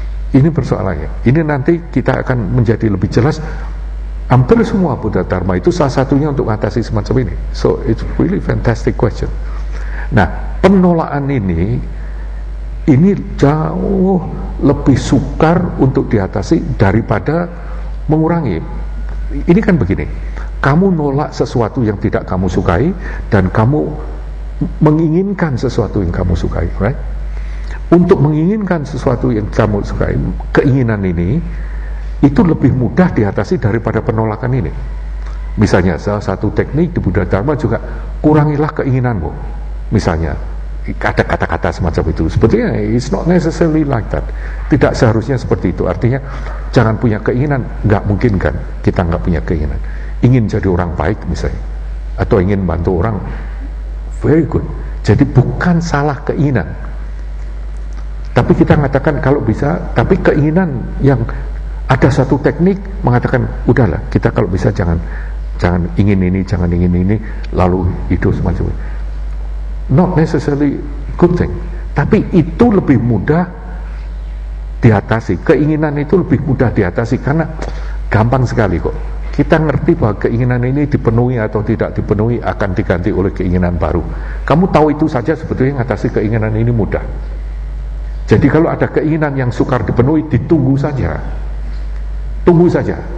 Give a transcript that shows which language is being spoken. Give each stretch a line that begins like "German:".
Indonesian: Ini persoalannya. Ini nanti kita akan menjadi lebih jelas. Hampir semua Buddha Dharma itu salah satunya untuk mengatasi semacam ini.
English: So it's really fantastic question.
Indonesian: Nah, penolakan ini jauh lebih sukar untuk diatasi daripada mengurangi. Ini kan begini, kamu nolak sesuatu yang tidak kamu sukai dan kamu menginginkan sesuatu yang kamu sukai, right? Untuk menginginkan sesuatu yang kamu sukai, keinginan ini itu lebih mudah diatasi daripada penolakan ini. Misalnya salah satu teknik di Buddha Dharma juga, kurangilah keinginanmu. Misalnya ada kata-kata semacam itu. Sebetulnya
English: it's not necessarily like that.
Indonesian: Tidak seharusnya seperti itu. Artinya jangan punya keinginan. Gak mungkin kan kita gak punya keinginan. Ingin jadi orang baik misalnya, atau ingin bantu orang,
English: very good.
Indonesian: Jadi bukan salah keinginan. Tapi kita mengatakan kalau bisa, tapi keinginan yang ada satu teknik mengatakan, udahlah kita kalau bisa jangan ingin ini, jangan ingin ini, lalu hidup semacam ini.
English: Not necessarily good thing.
Indonesian: Tapi itu lebih mudah diatasi. Keinginan itu lebih mudah diatasi karena gampang sekali kok. Kita ngerti bahwa keinginan ini dipenuhi atau tidak dipenuhi akan diganti oleh keinginan baru. Kamu tahu itu saja sebetulnya mengatasi keinginan ini mudah. Jadi kalau ada keinginan yang sukar dipenuhi, ditunggu saja. Tunggu saja.